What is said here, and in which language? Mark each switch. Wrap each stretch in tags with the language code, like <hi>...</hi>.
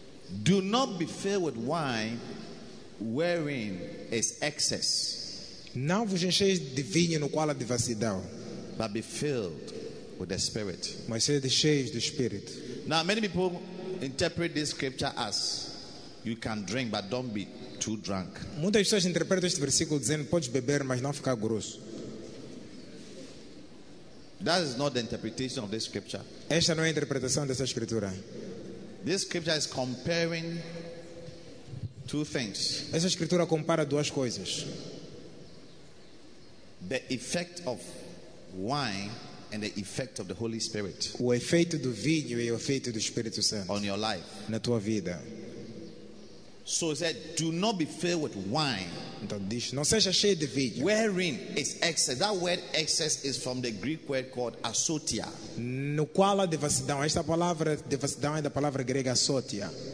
<en>Do not be filled with wine wherein is excess.</en> <pt>Não vos encheis de vinho no qual há devassidão.</pt> <en>But be filled with the Spirit.</en> <pt>Mas sede cheios do Espírito.</pt> <en>Now many people interpret this scripture as you can drink but don't be too drunk.</en> <pt>Muitas pessoas interpretam este versículo dizendo podes beber mas não ficar grosso.</pt> <en>That is not the interpretation of this scripture.</en> <pt>Esta não é a interpretação dessa escritura.</pt> <en>This scripture is comparing two things.</en> <pt>Essa escritura compara duas coisas.</pt> <en>The effect of wine and the effect of the Holy Spirit.</en> <pt>O efeito do vinho e o efeito do Espírito Santo.</pt> <en>On your life.</en> <pt>Na tua vida.</pt> <en>So he said, do not be filled with wine.</en> <pt>Então diz, não seja cheio de vinho.</pt> <en>Wherein is excess. That word excess is from the Greek word called asotia.</en> <pt>No qual há devassidão. Esta palavra devassidão é da palavra grega asotia.</pt>